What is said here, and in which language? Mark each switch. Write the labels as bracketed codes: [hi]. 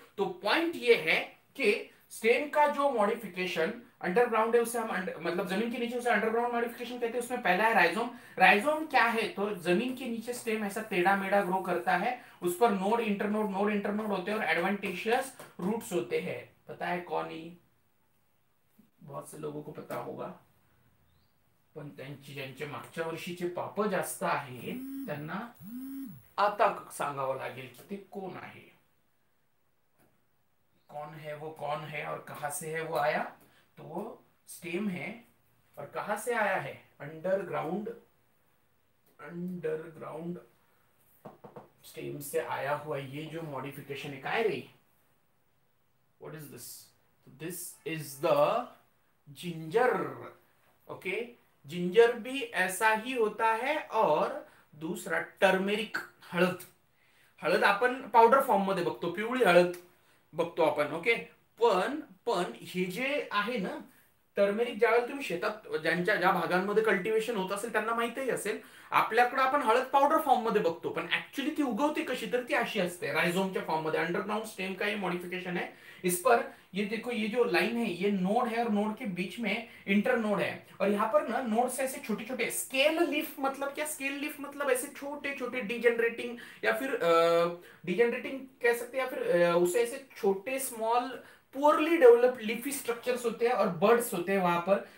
[hi] तो पॉइंट ये है कि स्टेम का जो मॉडिफिकेशन अंडरग्राउंड है उसे हम मतलब जमीन के नीचे उसे अंडरग्राउंड मॉडिफिकेशन कहते हैं. उसमें पहला है राइजोम. राइजोम क्या है? तो जमीन के नीचे स्टेम ऐसा टेढ़ा मेढ़ा ग्रो करता है, उस पर नोड इंटर नोड होते हैं और एडवेंटिशियस रूट्स होते हैं. पता है कौन ही? बहुत से लोगों को पता होगा, [mr] पण त्यांची ज्यांच्या मागच्या वर्षीचे पाप जास्त आहे त्यांना आता सांगावं लागेल की ते कोण आहे, [hi] कौन है वो, कौन है और कहां से है वो आया. तो वो स्टेम है और कहां से आया है? अंडरग्राउंड, अंडरग्राउंड स्टेम से आया हुआ ये जो मॉडिफिकेशन है, काय रही, [en] What is this, this is the ginger. [hi] Okay, ginger भी ऐसा ही होता है। और दूसरा टर्मेरिक, हळद। [mr] हळद आपण पावडर फॉर्म मध्ये बघतो, पिवळी हळद बघतो आपण, ओके। पण हे जे आहे ना टर्मेरिक, ज्यावेळेला तुम्ही शेतात ज्यांच्या ज्या भागांमध्ये कल्टिवेशन होत असेल त्यांना माहितही असेल, आपल्याकडे आपण हळद पावडर फॉर्म मध्ये बघतो, पण ऍक्च्युली ती उगवते कशी, तर ती अशी असते रायझोमच्या फॉर्म मध्ये, [hi] अंडरग्राउंड स्टेम का ये मॉडिफिकेशन है। इस पर ये देखो, ये जो लाइन है, ये नोड है, और नोड के बीच में इंटर नोड है, और यहाँ पर ना नोड से ऐसे छोटे छोटे स्केल लीफ, मतलब क्या स्केल लीफ, मतलब ऐसे छोटे छोटे डिजेनरेटिंग, या फिर डिजेनरेटिंग कह सकते हैं, या फिर उसे ऐसे छोटे small poorly developed leafy structures होते हैं और बर्ड्स होते हैं वहां पर।